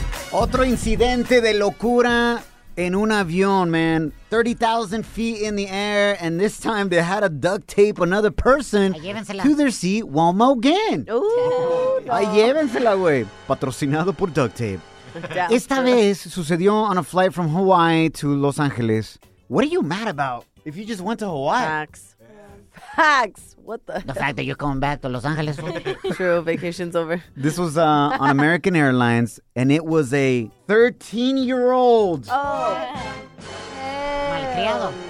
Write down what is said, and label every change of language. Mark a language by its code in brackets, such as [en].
[es] Otro incidente de locura en un avión, man. [en] 30,000 feet in the air, and this time they had to duct tape another person to their seat one more game. Ooh, [es] no. Llévensela, güey. Patrocinado por duct tape. Esta vez sucedió [en] on a flight from Hawaii to Los Angeles. What are you mad about if you just went to Hawaii? Facts. What the hell? Fact that you're coming back to Los Angeles. True, vacation's over. This was on American Airlines, and it was a 13-year-old. Oh. [es] Malcriado.